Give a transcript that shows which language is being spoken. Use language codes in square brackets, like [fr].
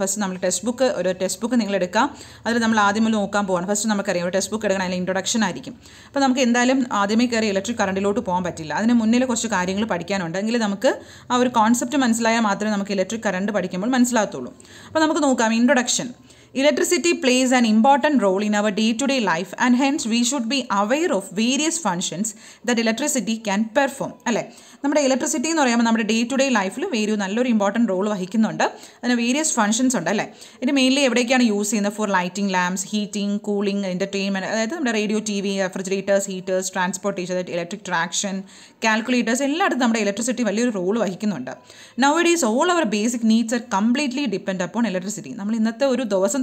[ml] First നമ്മൾ text book, ഒരു text book നിങ്ങൾ എടുക്കാം, അതിൽ നമ്മൾ ആദ്യം മുതൽ നോക്കാൻ പോകണം. ഫസ്റ്റ് നമുക്കറിയാം ഒരു ടെക്സ്റ്റ് ബുക്ക് എടുക്കണം, അതിൽ ഇൻട്രൊഡക്ഷൻ ആയിരിക്കും. അപ്പോൾ നമുക്ക് എന്തായാലും ആദ്യമേ കയറി ഇലക്ട്രിക് കറണ്ടിലോട്ട് പോകാൻ പറ്റില്ല, അതിന് മുന്നിൽ കുറച്ച് കാര്യങ്ങൾ പഠിക്കാനുണ്ട്. എങ്കിൽ നമുക്ക് ആ ഒരു കോൺസെപ്റ്റ് മനസ്സിലായാൽ മാത്രമേ നമുക്ക് ഇലക്ട്രിക് കറണ്ട് പഠിക്കുമ്പോൾ മനസ്സിലാകത്തുള്ളൂ. അപ്പോൾ നമുക്ക് നോക്കാം introduction. [en] Electricity plays an important role in our day-to-day life and hence we should be aware of various functions that electricity can perform. [ml] അല്ലേ, നമ്മുടെ ഇലക്ട്രിസിറ്റി എന്ന് പറയുമ്പോൾ നമ്മുടെ ഡേ ടു ഡേ ലൈഫിൽ വേരി നല്ലൊരു ഇമ്പോർട്ടൻറ്റ് റോൾ വഹിക്കുന്നുണ്ട്. അതിന് വേരിയസ് ഫങ്ഷൻസ് ഉണ്ട് അല്ലേ. ഇത് മെയിൻലി എവിടേക്കാണ് യൂസ് ചെയ്യുന്നത്? Four lighting lamps, heating, cooling, entertainment, അതായത് നമ്മുടെ radio, TV, refrigerators, heaters, transportation, അതായത് ഇലക്ട്രിക് ട്രാക്ഷൻ, കാൽക്കുലേറ്റേഴ്സ്, എല്ലായിടത്തും നമ്മുടെ ഇലക്ട്രിസിറ്റി വലിയൊരു റോൾ വഹിക്കുന്നുണ്ട്. [en] Now it is all our basic needs are completely depend upon electricity. [ml] നമ്മൾ ഇന്നത്തെ ഒരു ദിവസം